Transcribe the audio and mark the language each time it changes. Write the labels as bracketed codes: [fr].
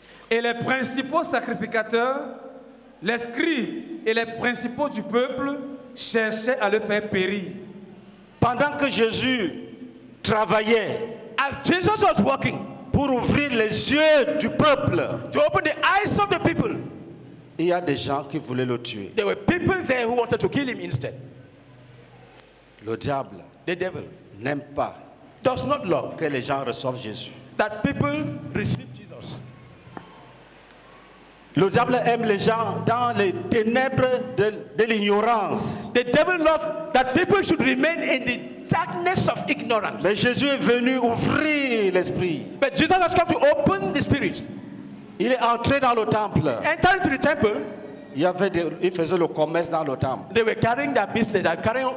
[fr] Et les principaux sacrificateurs, les scribes et les principaux du peuple cherchaient à le faire périr. Pendant que Jésus travaillait, [en] as Jesus was working, [fr] pour ouvrir les yeux du peuple. [en] To open the eyes of the people. [fr] Il y a des gens qui voulaient le tuer. [en] There were people there who wanted to kill him instead. [fr] Le diable, [en] the devil, [fr] n'aime pas, [en] does not love [fr] que les gens reçoivent Jésus. [en] That people receive Jesus. [fr] Le diable aime les gens dans les ténèbres de l'ignorance. [en] The devil loves that people should remain in the darkness of ignorance. [fr] Mais Jésus est venu ouvrir l'esprit. [en] But Jesus has come to open the spirit. [fr] Il est entré dans le temple. [en] Entering to the temple. [fr] Il faisait le commerce dans le temple. [en] They were carrying their business. They were carrying.